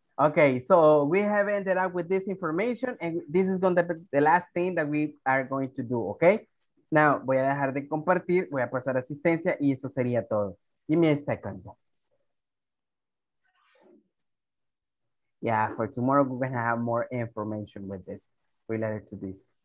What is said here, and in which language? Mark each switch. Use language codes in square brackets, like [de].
[en] Okay, so we have ended up with this information, and this is going to be the last thing that we are going to do, okay? [es] Now, voy a dejar de compartir, voy a pasar asistencia, y eso sería todo. [en] Give me a second. Yeah, for tomorrow, we're going to have more information with this, related to this.